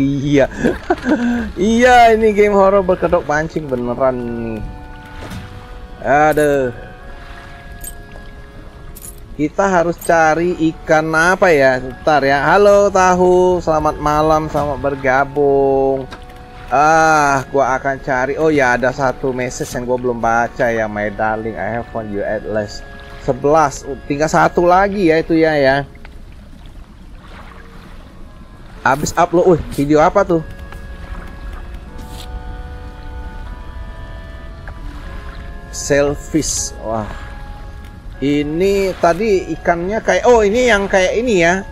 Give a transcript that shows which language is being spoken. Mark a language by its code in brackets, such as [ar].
[id] Iya. Iya, ini game horor berkedok pancing beneran nih. Aduh. Kita harus cari ikan apa ya? Bentar ya. Halo Tahu, selamat malam, selamat bergabung. Ah, gua akan cari. Oh ya, ada satu message yang gua belum baca ya. [en] My darling, I have found you at last. [id] 11, tinggal satu lagi ya itu ya ya. Habis upload, wih, video apa tuh? Selfish, wah. Ini tadi ikannya kayak, oh ini yang kayak ini ya.